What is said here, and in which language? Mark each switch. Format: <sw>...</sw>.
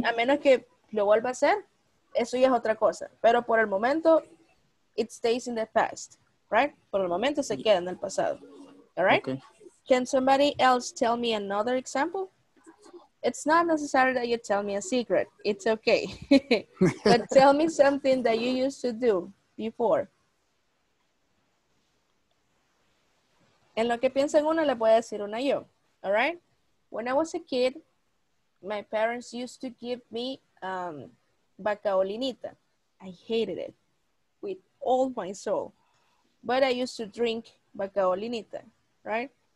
<es>Mm-hmm. A menos que lo vuelva a hacer, eso ya es otra cosa. Pero por el momento,</es> <en>it stays in the past, right?</en> <es>Por el momento se queda en el pasado,</es> <en>all right? Okay. Can somebody else tell me another example? It's not necessary that you tell me a secret. It's okay. But tell me something that you used to do before.</en> <es>En lo que piensan uno, le voy a decir una yo.</es> <en>All right? When I was a kid, my parents used to give me bacaolinita. I hated it with all my soul. But I used to drink bacaolinita. Right?</en>